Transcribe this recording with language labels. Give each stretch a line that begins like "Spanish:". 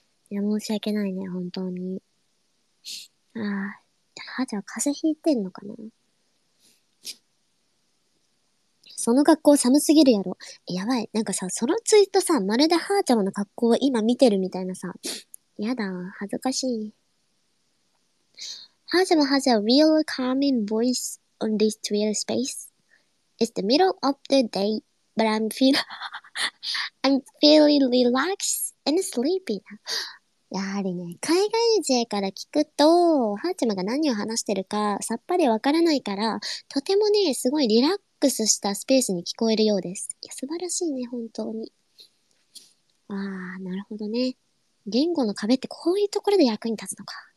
Japanese: いや、申し訳ないね、本当に。母ちゃん、風邪ひいてんのかな？その格好寒すぎるやろ。やばい、なんかさ、そのツイートさ、まるで母ちゃんの格好を今見てるみたいなさ。やだ、恥ずかしい。母ちゃんは
English: a real calming voice on this Twitter space. It's the middle of the day, but I'm feeling relaxed and sleepy now.
Japanese: やはりね、海外勢から聞くと、ハーチマが何を話してるかさっぱりわからないから、とてもね、すごいリラックスしたスペースに聞こえるようです。いや、素晴らしいね、本当に。あー、なるほどね。言語の壁ってこういうところで役に立つのか。